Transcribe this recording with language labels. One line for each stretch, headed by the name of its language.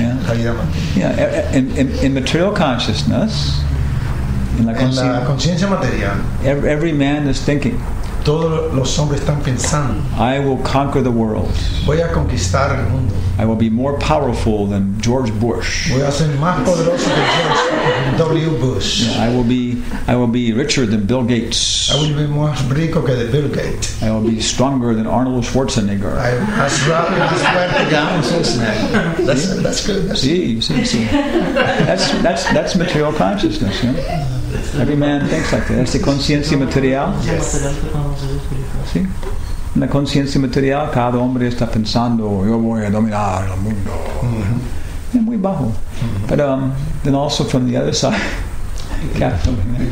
Spanish: La vida material.
English: In material consciousness.
Spanish: En la conciencia material.
English: Every man is thinking.
Spanish: Todos los hombres están pensando.
English: I will conquer the world.
Spanish: Voy a conquistar el mundo.
English: I will be more powerful than George Bush.
Spanish: Voy a ser más poderoso que George W. Bush.
English: Yeah, I will be richer than Bill Gates. I will be
Spanish: más rico que Bill Gates.
English: I will be stronger than Arnold Schwarzenegger. That's material consciousness. Yeah? Every man thinks like that.
Spanish: Es de conciencia material.
English: Yes.
Spanish: Sí. En la conciencia material, cada hombre está pensando, yo voy a dominar el mundo. Mm-hmm. Es muy bajo. Mm-hmm.
English: But then also from the other side, capitalism.